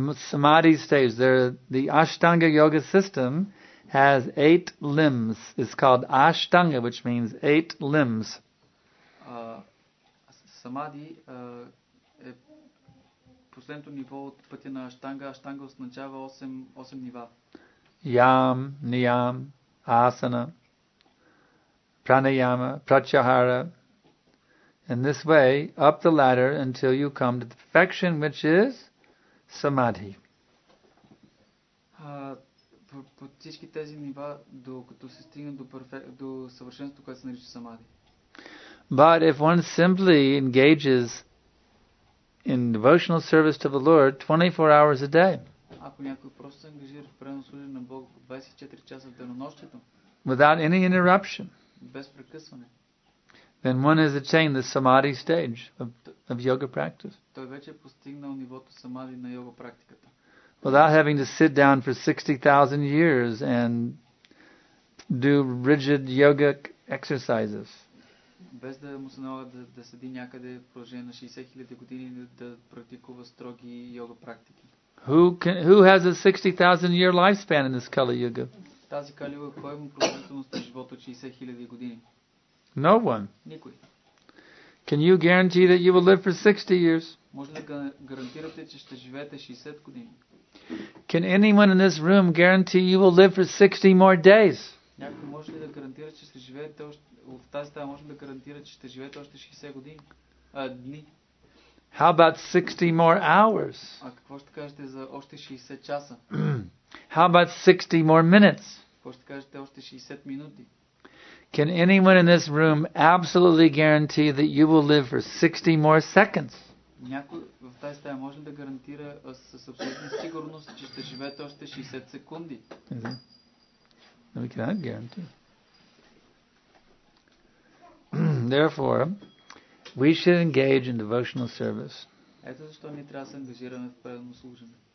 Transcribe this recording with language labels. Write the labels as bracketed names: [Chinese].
[English] Samadhi stage. The Ashtanga yoga system has 8 limbs. It's called Ashtanga, which means 8 limbs. [Bulgarian] Samadhi е последното ниво от пътя на Аштанга. Аштанга означава 8 нива. Ям, ниям, асана, пранаяма, прачахара. [English] In this way, up the ladder until you come to the perfection, which is samadhi. [Bulgarian] По всички тези нива, докато се стигне до съвършенството, което се нарича самадхи. [English] But if one simply engages in devotional service to the Lord 24 hours a day, [Bulgarian] ако някой просто се ангажира в преносно служение на Бог 24 часа в денонощието, [English] without any interruption, [Bulgarian] без прекъсване, [English] then one has attained the samadhi stage of yoga practice. [Bulgarian] Той вече е постигнал нивото самадхи на йога практиката. [English] Without having to sit down for 60,000 years and do rigid yogic exercises. [Bulgarian] Без да му се налага да седи някъде в продължение на 60,000 години и да практикува строги йога практики. [English] Who has a 60,000 year lifespan in this Kali Yuga? [Bulgarian] Тази Кали Юга, кой има продължителност на живота 60,000 години? [English] No one. [Bulgarian] Никой. [English] Can you guarantee that you will live for 60 years? [Bulgarian] Може да гарантирате, че ще живеете 60 години? [English] Can anyone in this room guarantee you will live for 60 more days? [Bulgarian] Някой може ли да гарантира, че ще живеете още в тази стая, може да гарантира, че ще живеете още 60 години? Дни. [English] How about 60 more hours? [Bulgarian] А какво ще кажете за още 60 часа? [English] How about 60 more minutes? [Bulgarian] Какво ще кажете още 60 минути? [English] Can anyone in this room absolutely guarantee that you will live for 60 more seconds? [Bulgarian] Някой в тази стая може да гарантира с абсолютна сигурност, че ще живеете още 60 секунди? [English] No, we cannot guarantee. Therefore, we should engage in devotional service. [Bulgarian] Ето защо ние трябва да се ангажираме в правилно служене.